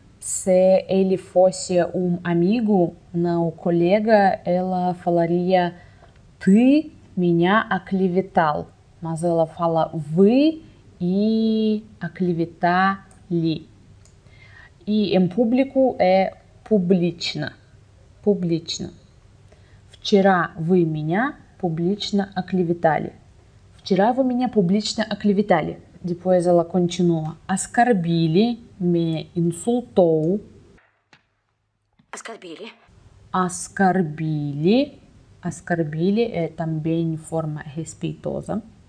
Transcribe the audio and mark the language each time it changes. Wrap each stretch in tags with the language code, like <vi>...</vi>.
<pt>Se ele fosse um amigo, não colega, ela falaria</pt> <ru>ты меня оклеветал.</ru> <pt>Mas ela fala</pt> <ru>вы и оклеветали.</ru> <pt>E em público é публично.</pt> <ru>Публично. Вчера вы меня публично оклеветали. Вчера вы меня публично оклеветали.</ru> <pt>Depois ela continua.</pt> <ru>Оскорбили,</ru> <pt>me insultou.</pt> <ru>Оскорбили. Оскорбили.</ru> <pt>Оскорбили é também forma respeitosa.</pt>